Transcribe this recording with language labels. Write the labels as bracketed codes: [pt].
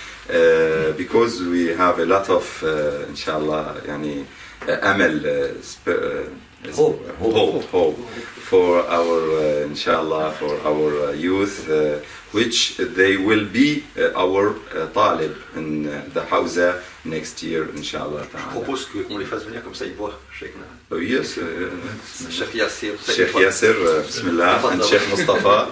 [en] Because we have a lot of inshallah, [ar] yani amal, [en] hope for our inshallah, for our youth, which they will be our talib in the Hawza next year, inshallah. [fr] Je propose que on les fasse venir comme ça, ils voient. [en] Oh yes, Sheikh Yasser. Sheikh Yasser, bismillah, and Sheikh Mustafa.